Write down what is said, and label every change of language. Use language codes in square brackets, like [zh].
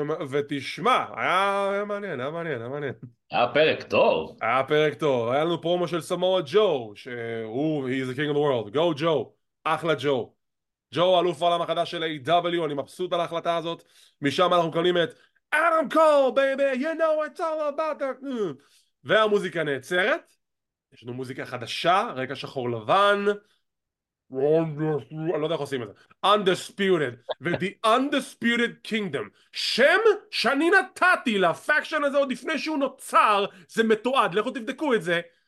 [he] ותשמע, היה מעניין, היה מעניין, היה מעניין. היה פרק טוב. היה פרק טוב. היה לנו פרומו של סמואה ג'ו, שהוא, [en] he's the king of the world. Go, Joe. [he] אחלה, [en] Joe. [he] Joe, אלוף העולם החדש של AEW, אני מבסוט על ההחלטה הזאת. משם אנחנו מקבלים את [en] Adam Cole, baby, you know it's all about that. [he] והמוזיקה נעצרת. יש לנו מוזיקה חדשה, רקע שחור לבן. אני לא יודע איך עושים את זה. [en] Undisputed. ו-The Undisputed Kingdom. [he] שם שאני נתתי לפקשן הזה עוד לפני שהוא נוצר, זה מתועד. לכו תבדקו את זה.